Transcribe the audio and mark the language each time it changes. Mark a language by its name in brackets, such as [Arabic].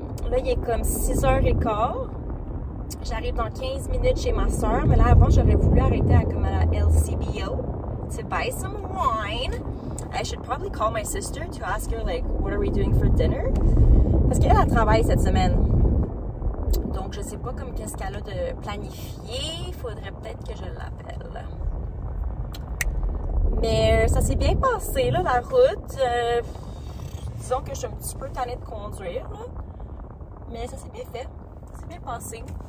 [French] Là, il est comme 6h15. J'arrive dans 15 minutes chez ma soeur, mais là, avant, j'aurais voulu arrêter à, comme à la LCBO [English] to buy some wine. I should probably call my sister to ask her, like, what are we doing for dinner? [French] Parce qu'elle a travaillé cette semaine. Donc, je sais pas comme qu'est-ce qu'elle a de planifié. Faudrait peut-être que je l'appelle. Mais ça s'est bien passé, là, la route. Disons que je suis un petit peu tannée de conduire, là. Mais ça s'est bien fait. Ça s'est bien passé.